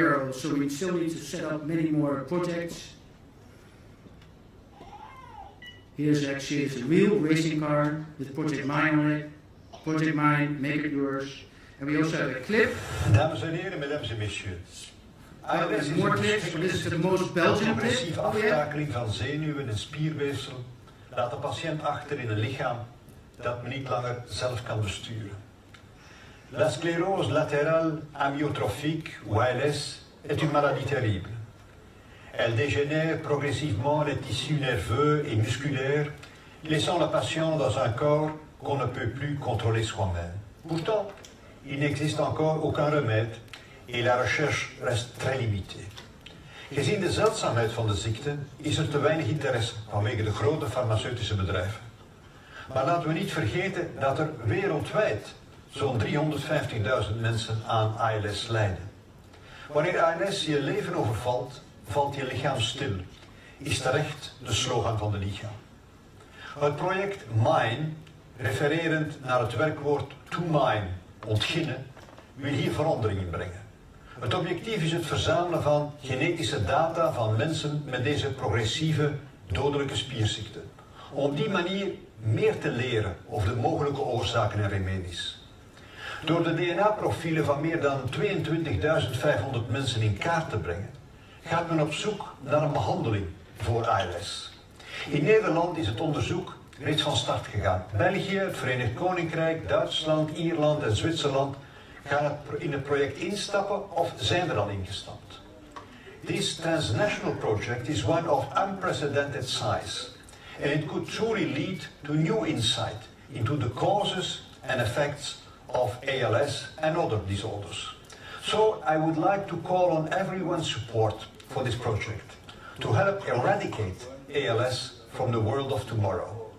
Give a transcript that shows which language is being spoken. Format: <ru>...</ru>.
<en>So we still need to set up many more projects. Here's actually a real racing car with Project Mind on it. Project Mind, make it yours. And we also have a clip.</en> <nl>Dames en heren, mesdames en messieurs. ALS is</nl> <en>more tips, but this is the most Belgian tip.</en> <nl>Progressieve aftakeling van zenuwen en spierweefsel laat de patiënt achter in een lichaam dat men niet langer zelf kan besturen.</nl> <fr>La sclérose latérale amyotrophique ou ALS est une maladie terrible. Elle dégénère progressivement les tissus nerveux et musculaires, laissant le patient dans un corps qu'on ne peut plus contrôler soi-même. Pourtant, il n'existe encore aucun remède et la recherche reste très limitée.</fr> <nl>Gezien de zeldzaamheid van de ziekte, is er te weinig interesse vanwege de grote farmaceutische bedrijven. Maar laten we niet vergeten dat er wereldwijd zo'n 350.000 mensen aan ALS lijden. Wanneer ALS je leven overvalt, valt je lichaam stil, is terecht de slogan van de lichaam. Het project MINE, refererend naar het werkwoord to mine, ontginnen, wil hier verandering in brengen. Het objectief is het verzamelen van genetische data van mensen met deze progressieve dodelijke spierziekte, om op die manier meer te leren over de mogelijke oorzaken en remedies. Door de DNA-profielen van meer dan 22.500 mensen in kaart te brengen, gaat men op zoek naar een behandeling voor ALS. In Nederland is het onderzoek reeds van start gegaan. België, het Verenigd Koninkrijk, Duitsland, Ierland en Zwitserland gaan in het project instappen of zijn er al ingestapt.</nl> <en>This transnational project is one of unprecedented size. And it could truly lead to new insight into the causes and effects of ALS and other disorders. So I would like to call on everyone's support for this project to help eradicate ALS from the world of tomorrow.</en>